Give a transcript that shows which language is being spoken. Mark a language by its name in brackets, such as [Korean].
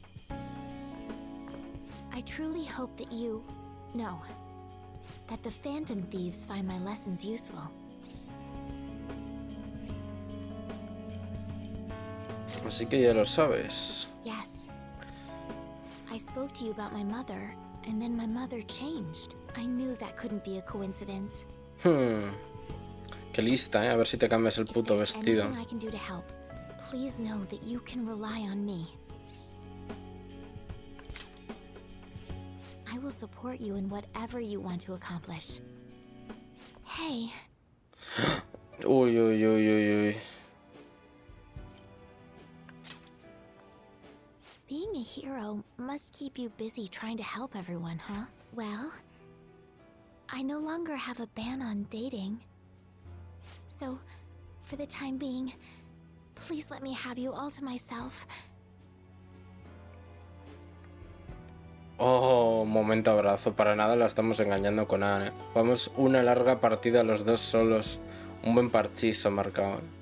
[English] I truly hope that you know that the Phantom Thieves find my lessons useful. [Spanish] Así que ya lo sabes. [English] Yes. I spoke to you about my mother, and then my mother changed. I knew that couldn't be a coincidence. Hmm. [Spanish] Qué lista, ¿eh? A ver si te cambias el puto vestido. [English] I can do to help. Please know that you can rely on me. I will support you in whatever you want to accomplish. Hey. Uy, uy, uy, uy, uy. Being a hero must keep you busy trying to help everyone, huh? Well, I no longer have a ban on dating. So, for the time being, please let me have you all to myself. [Spanish] Oh, momento abrazo. Para nada la estamos engañando con Ana, ¿eh? Vamos una larga partida los dos solos. Un buen parchís ha marcado.